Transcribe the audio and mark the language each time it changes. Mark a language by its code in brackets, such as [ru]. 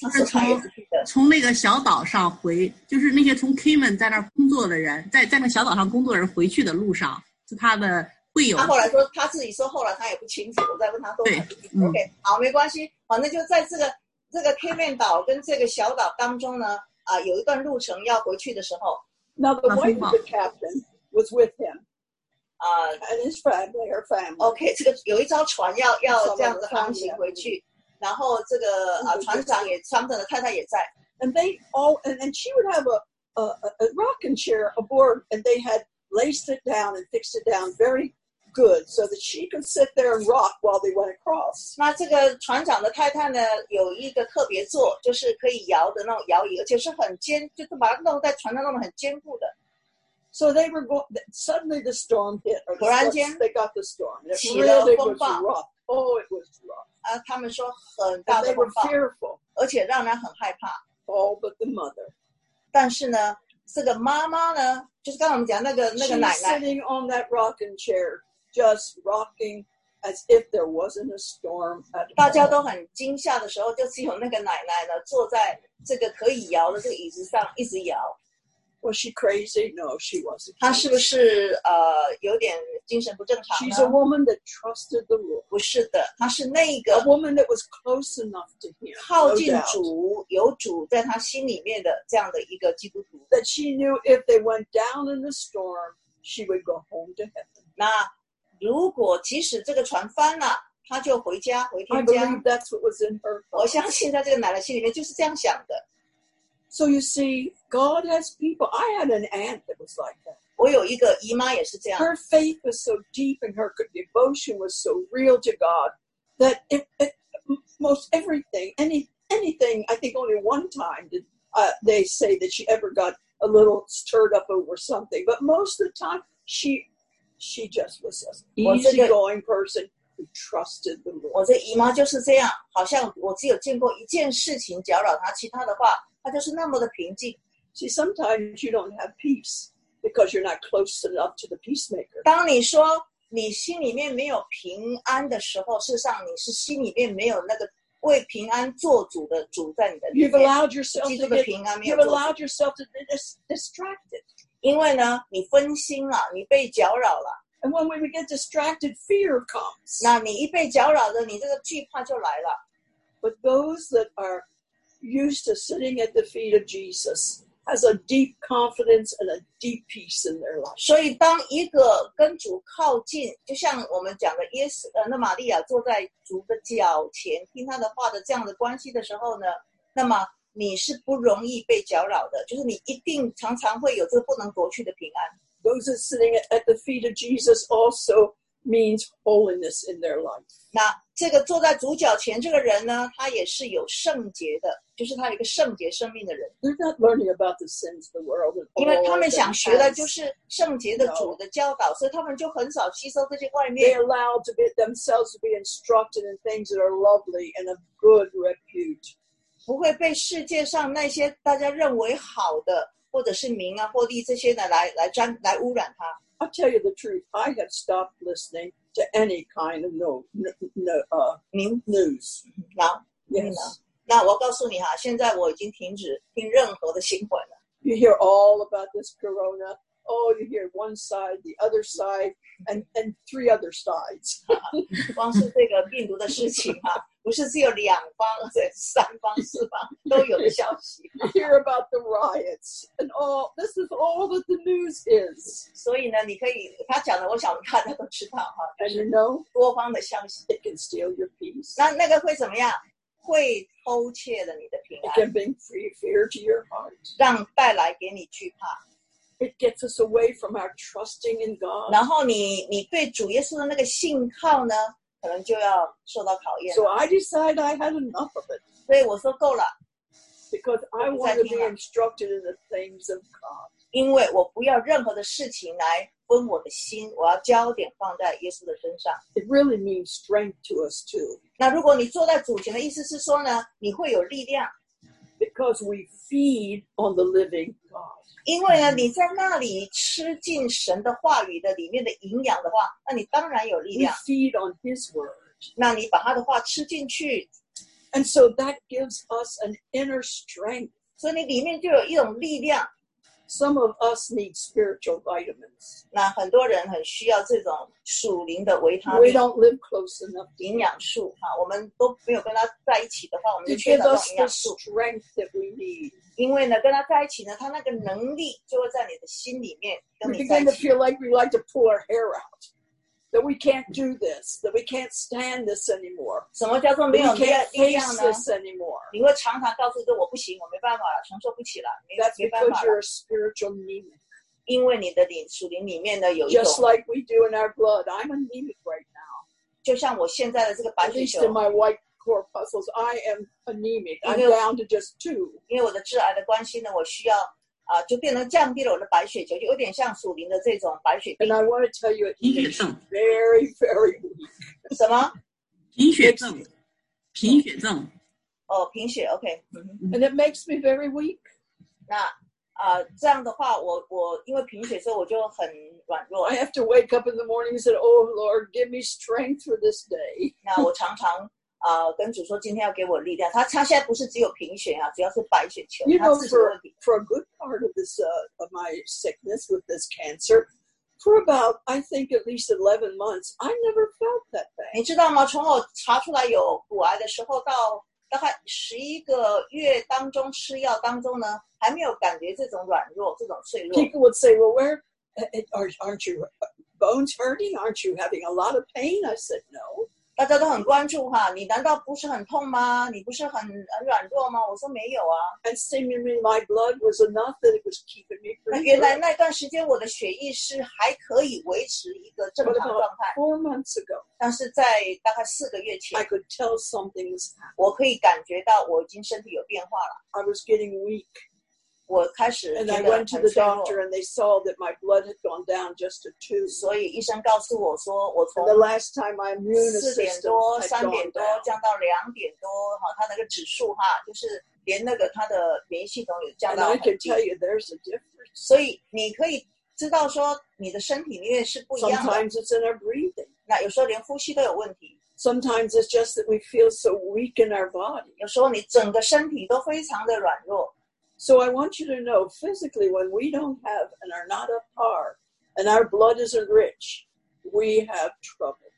[zh] 是从那个小岛上回，就是那些从 Cayman 在那工作的人，在那小岛上工作的人回去的路上，是他的会友。他后来说他自己说后来他也不清楚，我再问他说。对，OK，好，没关系，反正就在这个 Cayman 岛跟这个小岛当中呢。有一段路程要回去的时候 [en] Now the wife of the captain was with him and his family, her family. [zh] OK, 这个有一艘船要这样子航行回去然后这个船长也船长的太太也在 [en] And they all, and she would have a rocking chair aboard and they had laced it down and fixed it down very good so that she could sit there and rock while they went across. [zh] 那这个船长的太太呢有一个特别座就是可以摇的那种摇椅而且是很坚就是把它弄在船上弄得很坚固的。 [en] So they were going, suddenly the storm hit, or the, [zh] 突然间 [en] they got the storm. It [zh] 起了风暴。 [en] Really、rough. Oh, it was rough. [zh] 他们说很大的风暴。 [en] They were fearful. [zh] 而且让人很害怕。 [en] All but the mother. [zh] 但是呢这个妈妈呢就是刚才我们讲那个奶奶。 [en] She's sitting on that rocking chair. Just rocking as if there wasn't a storm at all. [zh] 大家都很惊吓的时候，就是有那个奶奶呢，坐在这个可以摇的这个椅子上，一直摇。 [en] Was she crazy? No, she wasn't. [zh] 她是不是有点精神不正常呢 [en] ？She's a woman that trusted the Lord. [zh] 不是的，她是那个 [en] a woman that was close enough to him. [zh] 靠近主，有主在她心里面的这样的一个基督徒。 [en] That she knew if they went down in the storm, she would go home to heaven. [zh] 那如果即使这个船翻了，他就回家回天家。 [en] I believe that's what was in her heart. [zh] 我相信在这个奶奶心里面就是这样想的。 [en] So you see, God has people. I had an aunt that was like that. [zh] 我有一个姨妈也是这样。 [en] Her faith was so deep, and her devotion was so real to God that it most everything, anything. I think only one time did they say that she ever got a little stirred up over something. But most of the time, she. She just was an easygoing person who trusted the Lord. [zh] 我这姨妈就是这样，好像我只有见过一件事情搅扰她，其他的话她就是那么的平静。 [en] See, sometimes you don't have peace because you're not close enough to the peacemaker. [zh] 当你说你心里面没有平安的时候，事实上你是心里面没有那个为平安做主的主在你的里面。 [en] You've allowed yourself to be [zh] 平安，没有做主。 [en] You've allowed yourself to be distracted. [zh] 因为呢，你分心了，你被搅扰了。 [en] And when we get distracted, fear comes. [zh] 那你一被搅扰了，你这个惧怕就来了。 [en] But those that are used to sitting at the feet of Jesus has a deep confidence and a deep peace in their life. [zh] 所以，当一个跟主靠近，就像我们讲的耶稣，那玛利亚坐在主的脚前听他的话的这样的关系的时候呢，那么。你是不容易被搅扰的，就是你一定常常会有这个不能夺去的平安。 [en] Those that sitting at the feet of Jesus also means holiness in their life. [zh] 那这个坐在主脚前这个人呢，他也是有圣洁的，就是他有一个圣洁生命的人。 [en] They're not learning about the sins of the world. [zh] 因为他们想学的就是圣洁的主的教导， [en] no. [zh] 所以他们就很少吸收这些外面。 [en] They allow to be themselves to be instructed in things that are lovely and of good repute. [zh] 不会被世界上那些大家认为好的，或者是名啊、获利这些的来污染它。 [en] I'll tell you the truth. I have stopped listening to any kind of news. Now, yes. [zh] 那我告诉你哈，现在我已经停止听任何的新闻了。 [en] You hear all about this corona. Oh, you hear one side, the other side, and three other sides. [zh] 光是这个病毒的事情哈。不是只有两方，是三方、四方都有的消息。 [en] Hear about the riots and all. This is all that the news is. [zh] 所以呢，你可以他讲的，我想大家都知道哈。 [en] And you know, [zh] 多方的消息。 [en] It can steal your peace. [zh] 那个会怎么样？会偷窃了你的平安。 [en] It can bring fear to your heart. [zh] 让带来给你惧怕。 [en] It gets us away from our trusting in God. [zh] 然后你对主耶稣的那个信靠呢？可能就要受到考验。 [en] So I decided I had enough of it. [zh] 所以我说够了。 [en] Because I want to be instructed in the things of God. [zh] 因为我不要任何的事情来分我的心，我要焦点放在耶稣的身上。 [en] It really means strength to us too. [zh] 那如果你坐在主前的意思是说呢，你会有力量。 [en] Because we feed on the living God. [zh] 因为呢，你在那里吃进神的话语的里面的营养的话，那你当然有力量。 [en] We feed on His word. [zh] 那你把他的话吃进去。 [en] And so that gives us an inner strength. [zh] 所以你里面就有一种力量。 [en] Some of us need spiritual vitamins. [zh] 那很多人很需要这种属灵的维他命。 [en] We don't live close enough. [zh] 营养素哈，我们都没有跟他在一起的话，我们就缺少营养素。 [en] To give us the strength that we need. [zh] 因为呢，跟他在一起呢，他那个能力就会在你的心里面跟你在一起。 [en] We begin to feel like we like to pull our hair out. That we can't do this. That we can't stand this anymore. [zh] 什么叫做没有力量呢？ [en] We can't face this anymore. [zh] 你会常常告诉自己我不行，我没办法了，承受不起了，没办法了。 [en] That's because you're a spiritual anemic. [zh] 因为你的灵属灵里面呢有一种。 [en] Just like we do in our blood, I'm anemic right now. [zh] 就像我现在的这个白血球。 [en] At least in my white corpuscles, I am anemic. I'm down to just two. [zh] 因为我的致癌的关系呢，我需要。就变成降低了我的白血球，就有点像属灵的这种白血病。 [en] And I want to tell you, [zh] 贫血症 [en] ，very very weak. [zh] 什么？贫血症，贫血症。哦，贫血 ，OK. [en] And it makes me very weak. [zh] 那这样的话，我因为贫血，所以我就很软弱。 [en] I have to wake up in the morning and say, "Oh Lord, give me strength for this day." [zh] 那我常常。跟主说今天要给我力量。他现在不是只有贫血啊，主要是白血球。 [en] You know, for a good part of this of my sickness with this cancer, for about I think at least 11 months, I never felt that pain. [zh] 你知道吗？从我查出来有骨癌的时候到大概11个月当中吃药当中呢，还没有感觉这种软弱、这种脆弱。 [en] People would say, "Well, where aren't your bones hurting? Aren't you having a lot of pain?" I said, "No." [zh] 大家都很关注哈，你难道不是很痛吗？你不是很软弱吗？我说没有啊。 [en] And seemingly my blood was enough that it was keeping me. [zh] 那原来那段时间我的血液是还可以维持一个正常状态。 [en] Four months ago. [zh] 但是在大概4个月前 [en] ，I could tell something was happening. [zh] 我可以感觉到我已经身体有变化了。 [en] I was getting weak. [zh] 我开始觉得很脆弱。 [en] And I went to the doctor and they saw that my blood had gone down just to 2. [zh] 所以医生告诉我说我从 4点多、3点多降到2点多哈，他那个指数哈，就是连那个他的免疫系统也降到很低。 [en] And I can tell you there's a difference. [zh] 所以你可以知道说你的身体里面是不一样的。 [en] Sometimes it's in our breathing. [zh] 那有时候连呼吸都有问题。 [en] Sometimes it's just that we feel so weak in our body. [zh] 有时候你整个身体都非常的软弱。 [en] So I want you to know, physically, when we don't have and are not up par, and our blood isn't rich, we have trouble.